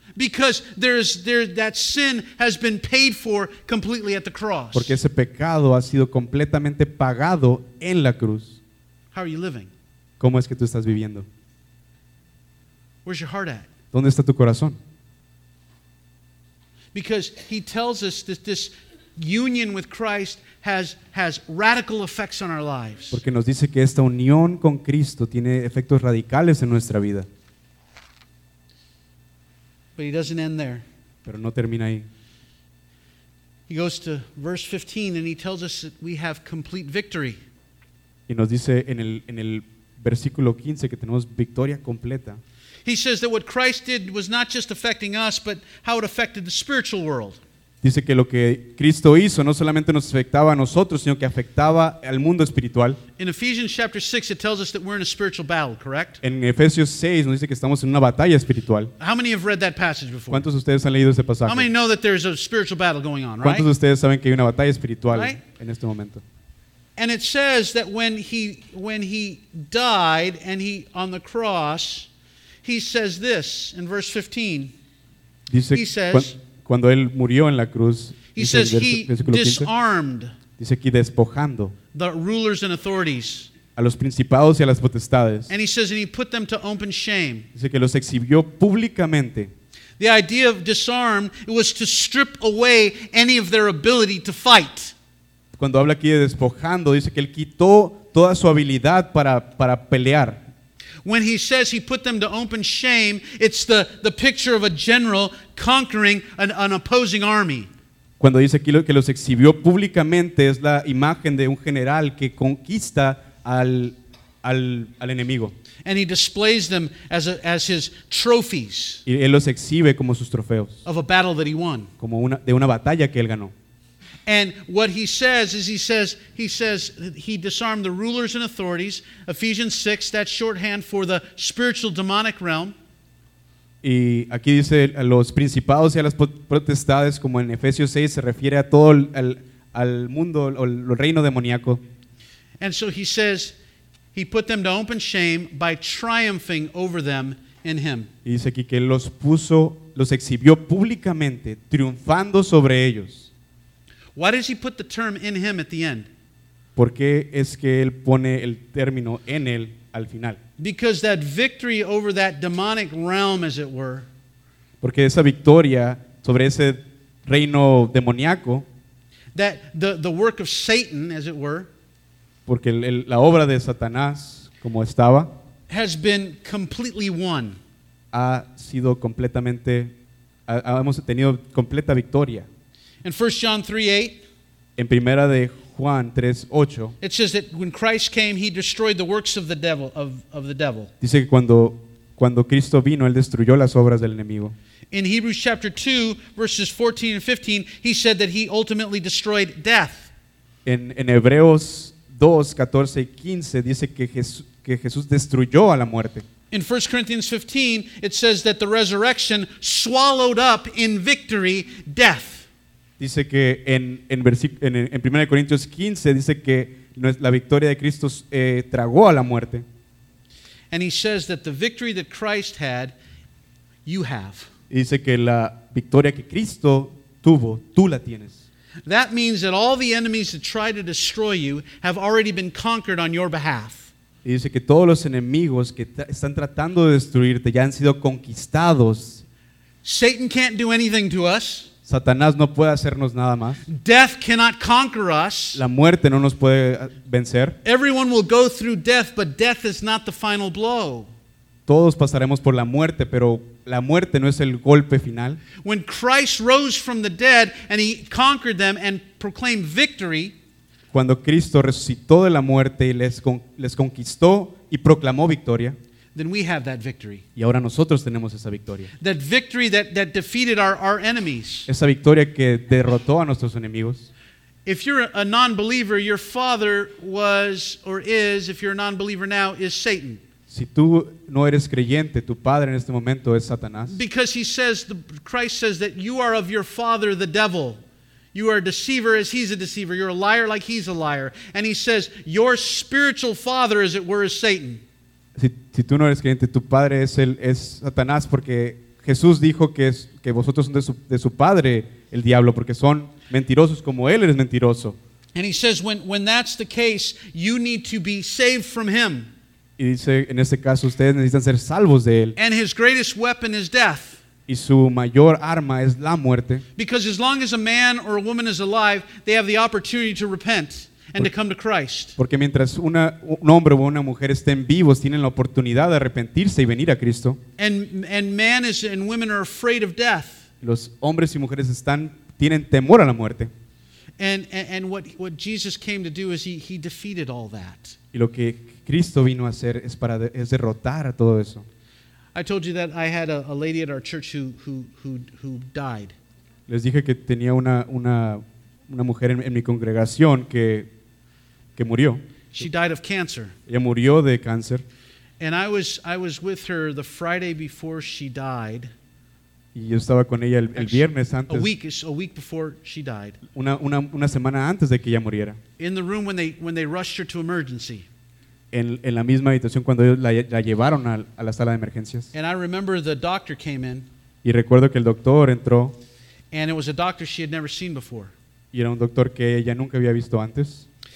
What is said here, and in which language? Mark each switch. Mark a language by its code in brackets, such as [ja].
[en] Because that sin has been paid for completely at the cross. [es] Porque ese pecado ha sido completamente pagado en la cruz. [en] How are you living? [es] ¿Cómo es que tú estás viviendo? [en] Where's your heart at? [es] ¿Dónde está tu corazón? [en] Because he tells us that this union with Christ has radical effects on our lives. [es] Porque nos dice que esta unión con Cristo tiene efectos radicales en nuestra vida. [en] But he doesn't end there. [es] Pero no termina ahí. [en] He goes to verse 15 and he tells us that we have complete victory. [es] Y nos dice en el versículo 15 que tenemos victoria completa. [en] He says that what Christ did was not just affecting us, but how it affected the spiritual world. [es] Dice que lo que Cristo hizo no solamente nos afectaba a nosotros, sino que afectaba al mundo espiritual. [en] In Ephesians chapter 6 it tells us that we're in a spiritual battle, correct? [es] En Efesios 6 nos dice que estamos en una batalla espiritual. [en] How many have read that passage before? [es] ¿Cuántos de ustedes han leído ese pasaje? [en] How many know that there's a spiritual battle going on, right? [es] ¿Cuántos de ustedes saben que hay una batalla espiritual en este momento? [en] And it says that when he died and he on the cross, he says this in verse 15. [es] Dice, [en] he says, [es] cuando él murió en la cruz, [en] he says he disarmed, [es] dice aquí despojando, [en] the rulers and authorities, [es] a los principados y a las potestades. [en] And he says and he put them to open shame. [es] Dice que los exhibió públicamente. [en] The idea of disarm was to strip away any of their ability to fight. [es] Cuando habla aquí de despojando, dice que él quitó toda su habilidad para pelear. [en] When he says he put them to open shame, it's the picture of a general conquering an opposing army. [es] Cuando dice aquí que los exhibió públicamente, es la imagen de un general que conquista al enemigo. [en] And he displays them as his trophies. [es] Y él los exhibe como sus trofeos. [en] Of a battle that he won. [es] Como de una batalla que él ganó. [en] And what he says is he says he disarmed the rulers and authorities. Ephesians 6, that's shorthand for the spiritual demonic realm. [es] Y aquí dice los principados y a las potestades, como en Efesios 6 se refiere a todo al mundo o el reino demoníaco. [en] And so he says he put them to open shame by triumphing over them in him. [es] Y dice aquí que los exhibió públicamente triunfando sobre ellos. [en] Why does he put the term in him at the end? [es] ¿Por qué es que él pone el término en él al final? [en] Because that victory over that demonic realm, as it were. [es] Porque esa victoria sobre ese reino demoníaco. [en] That the work of Satan, as it were. [es] Porque la obra de Satanás, como estaba. [en] Has been completely won. [es] Ha sido completamente, hemos tenido completa victoria. [en] In 1 John 3:8, [es] en primera de Juan 3:8, [en] it says that when Christ came, he destroyed the works of the devil. Of the devil. [es] Dice que cuando Cristo vino, él destruyó las obras del enemigo. [en] In Hebrews chapter 2, verses 14 and 15, he said that he ultimately destroyed death. [es] En Hebreos 2, 14 y 15, dice que Jesús destruyó a la muerte. [en] In 1 Corinthians 15, it says that the resurrection swallowed up in victory death. [es] Dice que en 1 Corintios 15 dice que la victoria de Cristo tragó a la muerte. [en] And he says that the victory that Christ had, you have. [es] Dice que la victoria que Cristo tuvo, tú la tienes. [en] That means that all the enemies that try to destroy you have already been conquered on your behalf. [es] Y dice que todos los enemigos que están tratando de destruirte ya han sido conquistados. [en] Satan can't do anything to us. [es] Satanás no puede hacernos nada más. [en] Death cannot conquer us. [es] La muerte no nos puede vencer. [en] Everyone will go through death, but death is not the final blow. [es] Todos pasaremos por la muerte, pero la muerte no es el golpe final. [en] When Christ rose from the dead and he conquered them and proclaimed victory. [es] Cuando Cristo resucitó de la muerte y les conquistó y proclamó victoria. [en] Then we have that victory. [es] Y ahora nosotros tenemos esa victoria. [en] That victory that defeated our enemies. [es] Esa victoria que derrotó a nuestros enemigos. [en] If you're a non-believer, your father was or is, if you're a non-believer now, is Satan. [es] Si tú no eres creyente, tu padre en este momento es Satanás. [en] Because he says, Christ says that you are of your father, the devil. You are a deceiver as he's a deceiver. You're a liar like he's a liar. And he says, your spiritual father, as it were, is Satan. [es] Si tú no eres creyente, tu padre es Satanás, porque Jesús dijo que vosotros son de su padre el diablo, porque son mentirosos como él eres mentiroso. [en] And he says when that's the case, you need to be saved from him. [es] Y dice en este caso ustedes necesitan ser salvos de él. [en] And his greatest weapon is death. [es] y su mayor arma es la muerte. [en] Because as long as a man or a woman is alive, they have the opportunity to repent and to come to Christ. [es] Porque mientras un hombre o una mujer estén vivos, tienen la oportunidad de arrepentirse y venir a Cristo. [en] And man is and women are afraid of death. [es] Los hombres y mujeres están tienen temor a la muerte. [en] And what Jesus came to do is he defeated all that. [es] Y lo que Cristo vino a hacer es para es derrotar a todo eso. [en] I told you that I had a lady at our church who died. [es] Les dije que tenía una mujer en mi congregación que murió. [en] She died of cancer. [es] Ella murió de cáncer. [en] And I was with her the Friday before she died. [es] Y yo estaba con ella el viernes antes. [en] A week before she died. [es] Una semana antes de que ella muriera. [en] In the room when they rushed her to emergency. [es] En la misma habitación cuando ellos la llevaron a la sala de emergencias. [en] And I remember the doctor came in. [es] Y recuerdo que el doctor entró. [en] And it was a doctor she had never seen before. [es] Y era un doctor que ella nunca había visto antes.